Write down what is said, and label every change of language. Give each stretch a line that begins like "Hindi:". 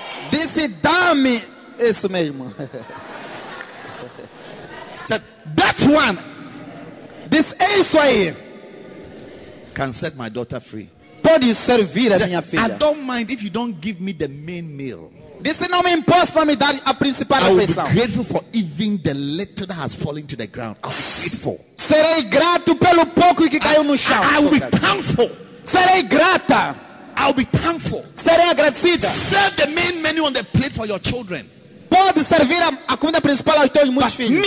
Portuguese: Disse, dá-me isso mesmo.
English: Said, that one,
Portuguese: this é isso aí,
English: can set my daughter free.
Portuguese: Pode servir a minha filha.
English: I don't mind if you don't give me the main meal.
Portuguese: Disse, não me imposto para me dar a principal refeição.
English: I will be grateful for even the little that has fallen to the ground. I'll be grateful.
Portuguese: Serei grato pelo pouco que caiu no chão.
English: I will be thankful.
Portuguese: Serei grata.
English: I'll be thankful.
Portuguese: Serei agradecida.
English: Serve the main menu on the plate for your children.
Portuguese: Pode servir a comida principal aos teus muitos filhos.